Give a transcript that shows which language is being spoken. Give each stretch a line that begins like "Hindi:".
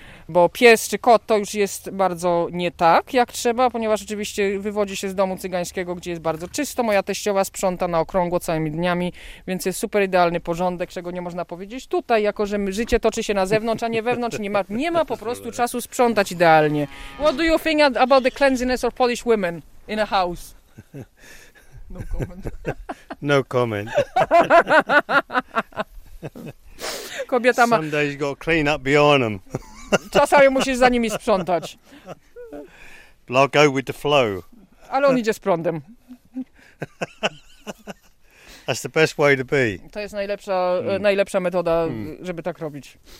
Polish: Bo pies czy kot to już jest bardzo nie tak, jak trzeba, ponieważ oczywiście wywodzi się z domu cygańskiego, gdzie jest bardzo czysto. Moja teściowa sprząta na okrągło całymi dniami, więc jest super idealny porządek, czego nie można powiedzieć tutaj, jako że życie toczy się na zewnątrz, a nie wewnątrz. Nie ma po prostu czasu sprzątać idealnie.
English: What do you think about the cleanliness of Polish women in a house? No comment. No comment.
Polish: Kobieta ma...
English: Some days you gotta clean up beyond them.
Polish: Czasami musisz za nimi sprzątać.
English: I'll go with the flow.
Polish: Ale on idzie z prądem.
English: That's the best way to be.
Polish: To jest najlepsza, najlepsza metoda, żeby tak robić.